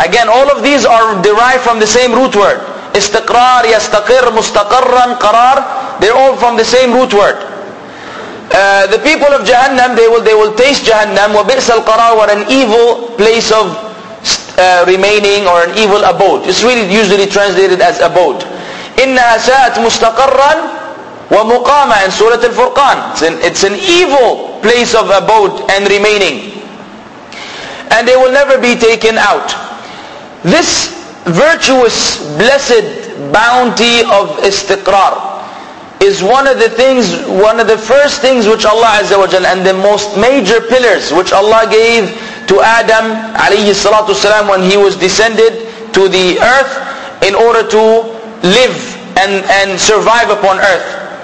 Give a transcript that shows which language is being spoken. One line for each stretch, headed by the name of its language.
English: Again, all of these are derived from the same root word. Istiqrar, yastaqir, mustaqarran, qarar. They're all from the same root word. The people of Jahannam, they will taste Jahannam,
Arabic: وَبِئْسَ الْقَرَارِ,
English: what an evil place of remaining, or an evil abode. It's really usually translated as abode.
Arabic: إِنَّهَا سَاءَتْ مُسْتَقَرًا وَمُقَامًا
English: in Surah Al-Furqan. It's an evil place of abode and remaining. And they will never be taken out. This virtuous, blessed bounty of istiqrar is one of the things, one of the first things which Allah Azza wa Jalla, and the most major pillars which Allah gave to Adam alayhi salatu salam when he was descended to the earth in order to live and survive upon earth.